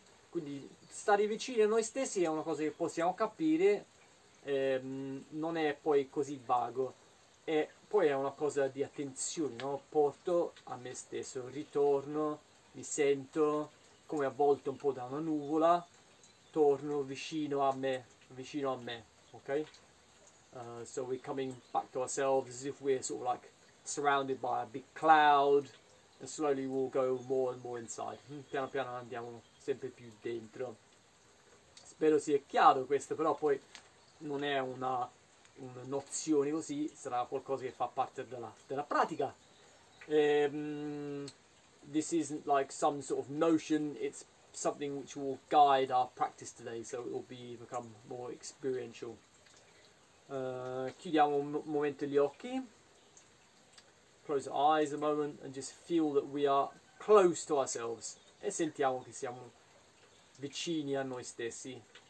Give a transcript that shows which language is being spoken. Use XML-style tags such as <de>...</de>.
<it>Quindi stare vicini a noi stessi è una cosa che possiamo capire, non è poi così vago, e poi è una cosa di attenzione, no? Porto a me stesso, ritorno, mi sento come avvolto un po' da una nuvola, torno vicino a me, ok?</it> <en>So we're coming back to ourselves as if we're sort of like surrounded by a big cloud, and slowly we'll go more and more inside.</en> <it>Piano piano andiamo sempre più dentro. Spero sia chiaro questo, però poi non è una nozione così, sarà qualcosa che fa parte della pratica.</it> <en>This isn't like some sort of notion, it's something which will guide our practice today, so it will become more experiential.</en> <it>Chiudiamo un momento gli occhi.</it> <en>Close our eyes a moment and just feel that we are close to ourselves.</en> <it>E sentiamo che siamo vicini a noi stessi.</it>